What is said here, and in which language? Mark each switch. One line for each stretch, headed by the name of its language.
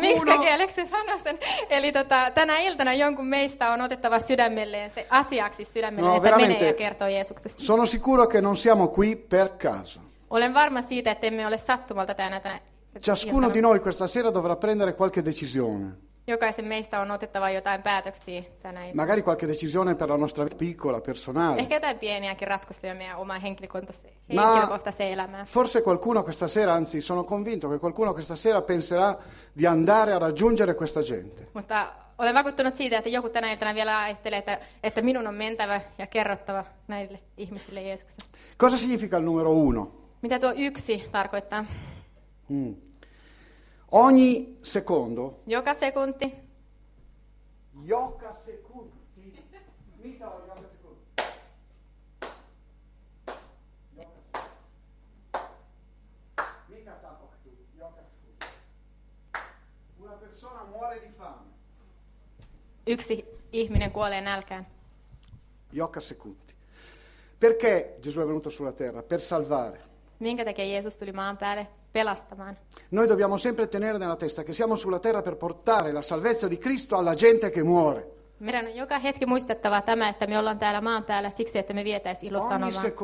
Finnish: mistä kieleksi sanoi sen. Eli tänä iltana jonkun meistä on otettava sydämelleen, se asiaksi sydämelleen, no, että menee ja kertoo Jeesuksesta.
Italian: Sono sicuro che non siamo qui per caso.
Finnish: Olen varma siitä, että emme ole sattumalta tänä
Italian: ciascuno
Finnish: iltana.
Italian: Di noi questa sera dovrà prendere qualche decisione.
Finnish: Jokaisen meistä on otettava jotain päätöksiä tänä iltana.
Italian: Magari qualche decisione per la nostra vita piccola, personale.
Finnish: Ehkä jotain pieniäkin ratkaisuja meidän omaa henkilökohtaisen elämään.
Italian: Forse qualcuno questa sera, anzi sono convinto che qualcuno questa sera penserà di andare a raggiungere questa gente.
Finnish: Mutta olen vakuuttunut siitä, että joku tänä iltana vielä ajattelee, että minun on mentävä ja kerrottava näille ihmisille Jeesuksesta.
Italian: Cosa significa il numero uno?
Finnish: Mitä tuo yksi tarkoittaa?
Italian: Ogni secondo.
Finnish: Joka sekunti. Joka sekunti. Mitä on joka sekunti? Joka sekunti. Mikä tapahtuu? Joka sekunti.
Italian: Una persona muore di fame.
Finnish: Yksi ihminen kuolee nälkään. Joka sekunti.
Italian: Perché Gesù è venuto sulla terra? Per salvare.
Finnish: Minkä takia Jeesus tuli maan päälle? Pelastamaan.
Italian: Noi dobbiamo sempre tenere nella testa che siamo sulla terra per portare la salvezza di Cristo alla gente che muore.
Finnish: Meidän on joka hetki muistettava tämä, että me ollaan täällä maan päällä siksi, että me vietäisiin ilosanomaa.